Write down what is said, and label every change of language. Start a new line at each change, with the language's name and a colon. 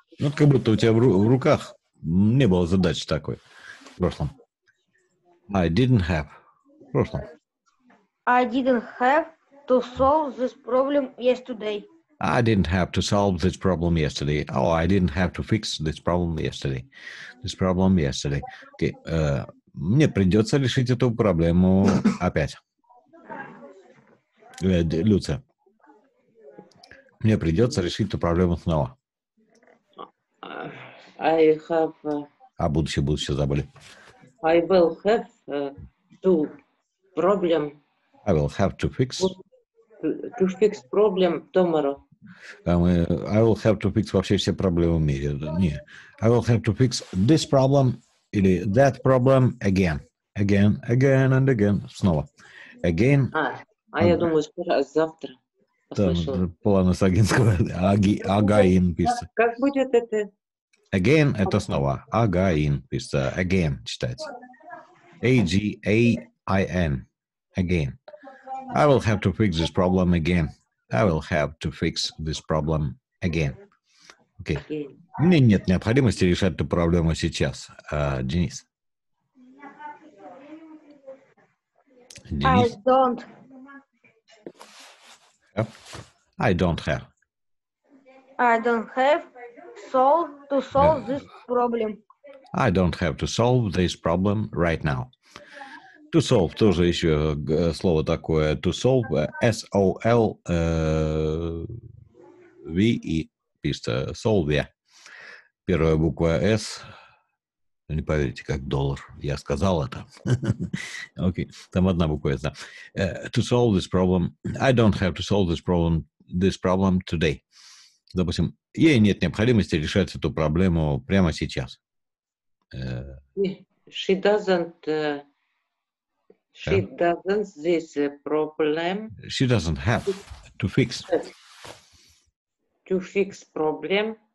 Russian: Ну, как будто у тебя в руках не было задачи такой. В прошлом.
English: I didn't have to fix this problem yesterday. Oh, I didn't have to fix this problem yesterday. Okay.
Russian: Мне придется решить эту проблему опять. Люция. Мне придется решить эту проблему снова.
English: I have...
Russian: Будущее забыли.
English: I will have to fix problem tomorrow. I will have to fix
Russian: вообще все проблемы в мире. Не.
English: I will have to fix this problem
Russian: или
English: that problem again. Again, again and again.
Russian: Снова.
English: Again.
Russian: Я думаю, скоро, завтра. Там планы Сагинского. Again пишется. Как будет это? Again – это снова. Again пишется. Again читается.
English: A-G-A-I-N. Again. I will have to fix this problem again. I will have to fix this problem again.
Russian: Окей.
English: Okay.
Russian: Мне нет необходимости решать эту проблему сейчас. Денис.
English: Денис? I don't. Have? I don't have. I don't have to solve this problem. I don't have to solve this problem right now. To solve,
Russian: тоже еще слово такое,
English: to solve, S-O-L-V-E,
Russian: пишется,
English: solve, yeah.
Russian: Первая буква S, не поверите, как доллар, я сказал это. Окей, там одна буква S, да.
English: To solve this problem, I don't have to solve this problem today.
Russian: Допустим, ей нет необходимости решать эту проблему прямо сейчас.
English: She doesn't... She doesn't this problem. She doesn't have to fix. To fix problem.